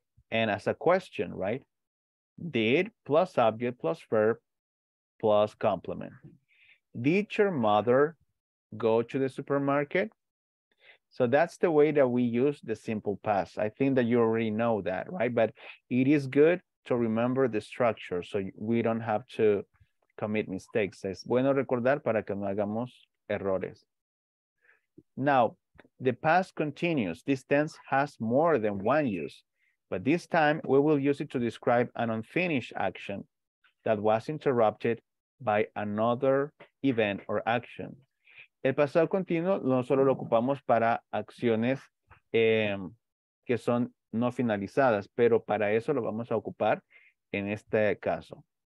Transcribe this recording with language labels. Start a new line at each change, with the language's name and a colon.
English: And as a question, right? Did plus subject plus verb plus complement. Did your mother go to the supermarket? So that's the way that we use the simple past. I think that you already know that, right? But it is good to remember the structure so we don't have to commit mistakes.
Spanish: Es bueno recordar para que no hagamos errores.
English: Now, the past continuous, this tense has more than one use, but this time we will use it to describe an unfinished action that was interrupted by another event or action.
Spanish: El pasado continuo no solo lo ocupamos para acciones que son no finalizadas, pero para eso lo vamos a ocupar en este caso.